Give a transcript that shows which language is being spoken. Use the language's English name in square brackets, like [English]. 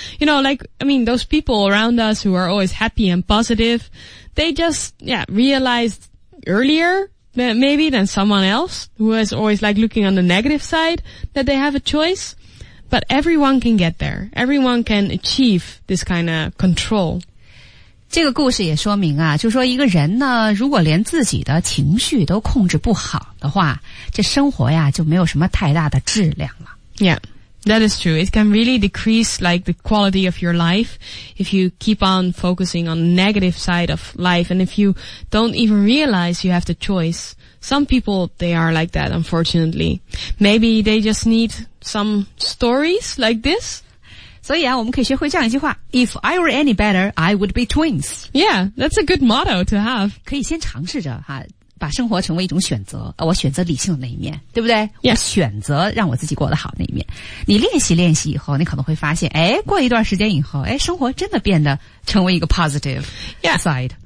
[English] You know, like, I mean, those people around us who are always happy and positive, they just, yeah, realized earlier maybe than someone else who is always like looking on the negative side that they have a choice. But everyone can get there. Everyone can achieve this kind of control. [Chinese] 这个故事也说明啊，就说一个人呢，如果连自己的情绪都控制不好的话，这生活呀就没有什么太大的质量了。 [English] Yeah, that is true. It can really decrease like the quality of your life if you keep on focusing on the negative side of life and if you don't even realize you have the choice. Some people, they are like that, unfortunately. Maybe they just need some stories like this. [Chinese] 所以啊，我们可以学会这样一句话， [English] If I were any better, I would be twins. Yeah, that's a good motto to have. [Chinese] 可以先尝试着哈，把生活成为一种选择，我选择理性的那一面，对不对？ [English] Yeah. [Chinese] 我选择让我自己过得好那一面。你练习练习以后，你可能会发现，哎，过一段时间以后，哎，生活真的变得成为一个 [English] positive side.